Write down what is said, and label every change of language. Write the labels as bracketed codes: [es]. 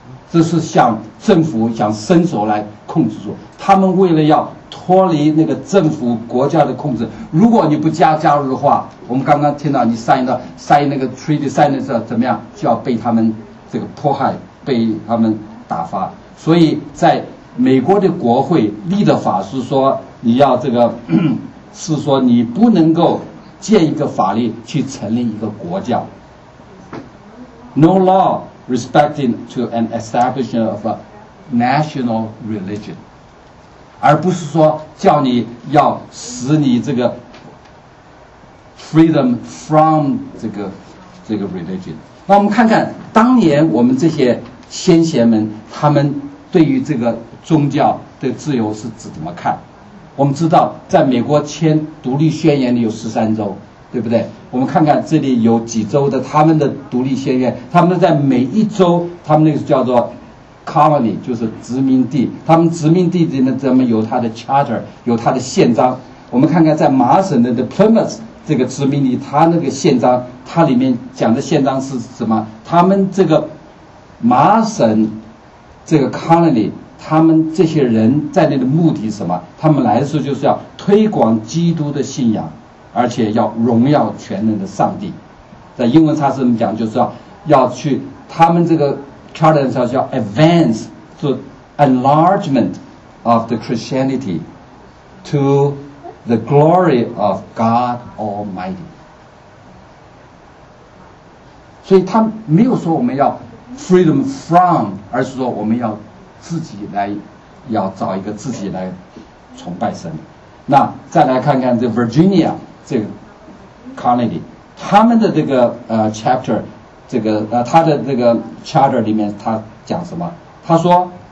[zh] 这是向政府想伸手来控制住，他们为了要脱离那个政府国教的控制，如果你不加入的话，我们刚刚听到你sign那个 treaty sign 的时候怎么样，就要被他们这个迫害，被他们打发。所以在美国的国会立的法是说，你要这个是说你不能够建一个法律去成立一个国教。 [en] No law respecting to an establishment of a national religion， [zh] 而不是说叫你要使你这个 [en] freedom from 这个 religion。 [zh] 那我们看看当年我们这些先贤们他们对于这个宗教的自由是怎么看。我们知道在美国签独立宣言里有13州，对不对？我们看看这里有几州的他们的独立宣言，他们在每一州，他们那个叫做 colony， 就是殖民地，他们殖民地里面怎么有他的 charter， 有他的宪章。我们看看在麻省的 the Plymouth 这个殖民地，他那个宪章，他里面讲的宪章是什么，他们这个麻省这个 colony 他们这些人在那的目的是什么，他们来的时候就是要推广基督的信仰，而且要荣耀全能的上帝。在英文上是怎么讲，就是要去他们这个 charter 上叫 [en] advance to enlargement of the Christianity to the glory of God Almighty。 [zh] 所以他没有说我们要freedom from， 而是说我们要自己来，要找一个自己来崇拜神。那再来看看这 Virginia 这个 colony， 他们的这个chapter 这个他的这个 charter 里面他讲什么，他说